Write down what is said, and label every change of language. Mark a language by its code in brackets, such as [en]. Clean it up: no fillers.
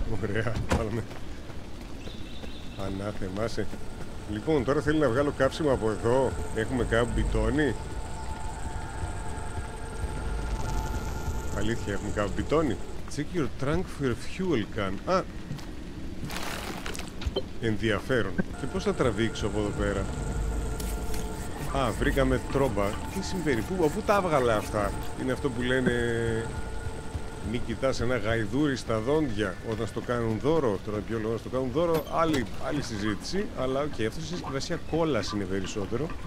[el] Ωραία, βάλαμε. Ανάθεμάσαι. Λοιπόν, τώρα θέλει να βγάλω καύσιμο από εδώ. Έχουμε κάπου μπιτόνι. Αλήθεια, έχουμε κάπου μπιτόνι. [en] Check your trunk for fuel can. Α! [el] Ενδιαφέρον. Και πώς θα τραβήξω από εδώ πέρα. Α, βρήκαμε τρόμπα. Τι συμβαίνει, πού τα έβγαλα αυτά. Είναι αυτό που λένε... Μη κοιτάς ένα γαϊδούρι στα δόντια όταν στο κάνουν δώρο. Τώρα ποιο λόγο να στο κάνουν δώρο, άλλη συζήτηση. Αλλά οκ, αυτό σε συσκευασία κόλαση είναι περισσότερο.